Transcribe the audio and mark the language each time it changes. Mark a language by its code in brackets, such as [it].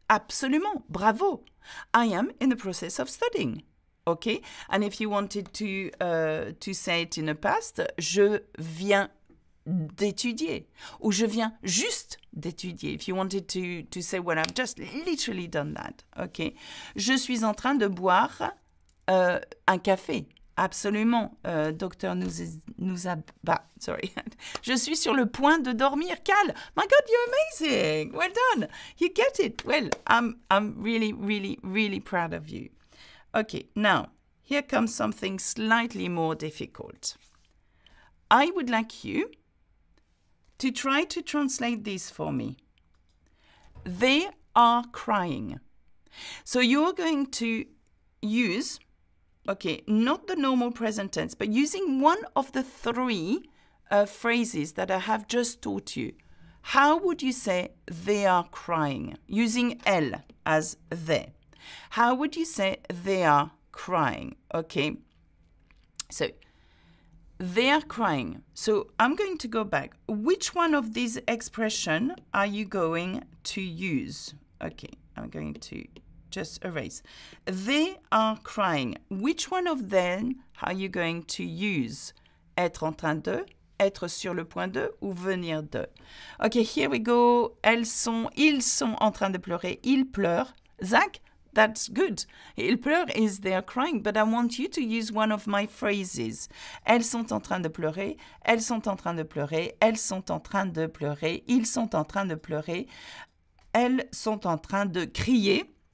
[fr] Absolument, bravo. [en] I am in the process of studying. Ok, and if you wanted to say it in the past, [fr] je viens d'étudier ou je viens juste d'étudier. [en] If you wanted to say what I've just literally done that. [fr] Ok, je suis en train de boire un café. Absolument, docteur nous a... Bah, [en] sorry. [fr] Je suis sur le point de dormir, Cal. [en] My God, you're amazing. Well done. You get it. Well, I'm really, really, really proud of you. Okay, now, here comes something slightly more difficult. I would like you to try to translate this for me. They are crying. So you're going to use... Okay, not the normal present tense, but using one of the three phrases that I have just taught you. How would you say they are crying? Using elle as they. How would you say they are crying? Okay, so they are crying. So I'm going to go back. Which one of these expressions are you going to use? Okay, I'm going to... Just erase. They are crying. Which one of them are you going to use? [fr] Être en train de, être sur le point de, ou venir de? Okay, here we go. Elles sont, ils sont en train de pleurer. Ils pleurent. [en] Zach, that's good. [fr] Ils pleurent [en] is they are crying, but I want you to use one of my phrases. [fr] Elles sont en train de pleurer. Elles sont en train de pleurer. Elles sont en train de pleurer. Ils sont en train de pleurer. Elles sont en train de crier.